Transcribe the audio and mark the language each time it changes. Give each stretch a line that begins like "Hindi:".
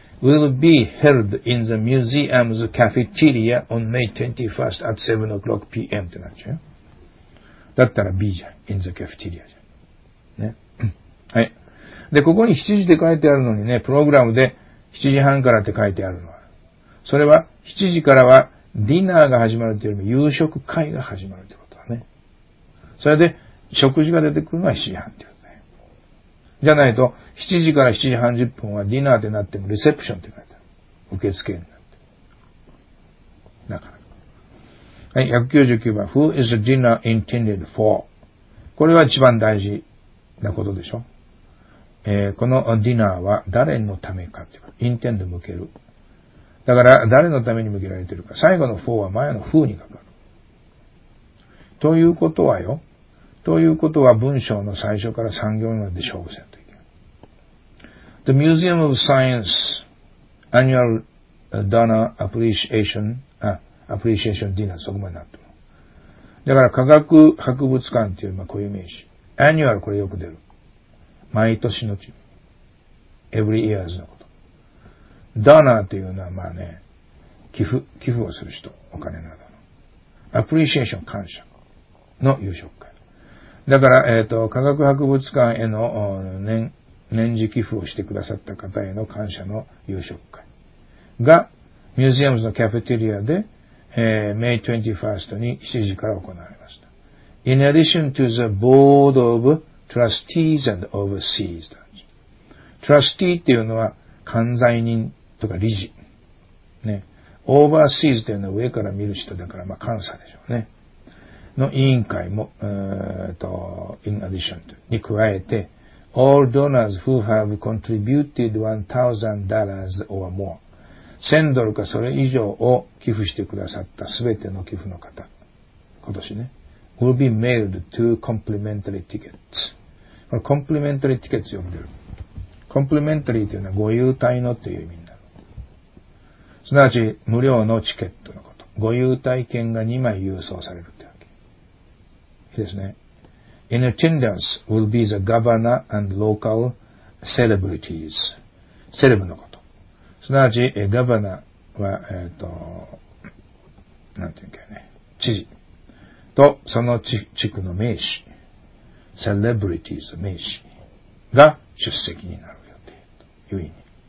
English: Will be held in the museum's cafeteria on May 21st at 7 o'clock p.m.
Japanese: ってなっちゃうよ。だったら B じゃん。
English: in the cafeteria
Japanese: じゃん。ね。はい。で、ここに7時で書いてあるのにね、プログラムで7時半からって書いてあるのは。それは、7時からはディナーが始まるというよりも夕食会が始まるってことだね。それで、食事が出てくるのは7時半ってことだね。じゃないと、7時から7時30分はディナーでなってもレセプションって書いてある。受付になって。だから。はい、199番。
English: Who is the dinner intended for?
Japanese: これは一番大事なことでしょ。このディナーは誰のためかっていうか、intend 向ける。だから、誰のために向けられているか。最後の for は前の who にかかる。ということはよ。ということは文章の最初から3行目で勝負せんといけない。
English: The Museum of Science Annual Donor Appreciation
Japanese: アプリシエーションディナー、そこまでなっても。だから、科学博物館っていう、まあ、こういう名詞。アニュアル、これよく出る。毎年の地。
English: every years
Japanese: のこと。ダーナーというのは、まあね、寄付をする人、お金などの。アプリシエーション、感謝の夕食会。だから、科学博物館への年次寄付をしてくださった方への感謝の夕食会。が、ミュージアムズのキャフェテリアで、
English: May 21st
Japanese: に7時から行われました。
English: In addition to the board of trustees and overseas.
Japanese: Trustee っていうのは、管財人とか理事。ね。 Overseas っていうのは上から見る人だから、まあ、監査でしょうね。の委員会も、
English: in addition to,
Japanese: に加えて、
English: All donors who have contributed $1,000 or more.
Japanese: 1000ドルかそれ以上を寄付してくださったすべての寄付の方、今年ね、
English: will be mailed to complimentary tickets。
Japanese: これ、complimentary tickets 呼んでる。complimentary というのは、ご優待のという意味になる。すなわち、無料のチケットのこと。ご優待券が2枚郵送されるってわけ。いいですね。
English: In attendance will be the governor and local celebrities.
Japanese: セレブのこと。すなわち、ガバナは、なんていうんかね、知事。と、その地区の名士、セレブリティーズ名士が出席になる予定という意味。